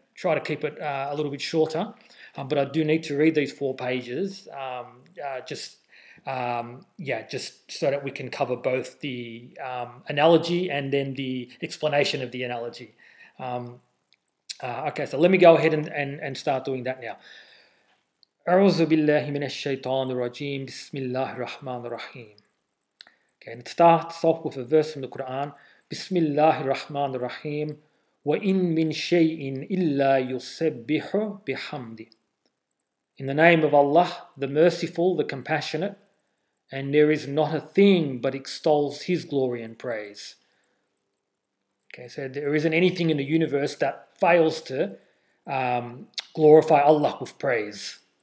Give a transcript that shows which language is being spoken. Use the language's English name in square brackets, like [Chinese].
[English] try to keep it a little bit shorter, but I do need to read these four pages just so that we can cover both the analogy and then the explanation of the analogy. Okay, so let me go ahead and start doing that now. [Arabic] أعوذ بالله من الشيطان الرجيم بسم الله الرحمن الرحيم. [English] Okay, and it starts off with a verse from the Quran. [Arabic] بسم الله الرحمن الرحيم وإن من شيء إلا يسبح بحمده. [English] In the name of Allah, the merciful, the compassionate, and there is not a thing but extols His glory and praise. Okay, so there isn't anything in the universe that fails to glorify Allah with praise.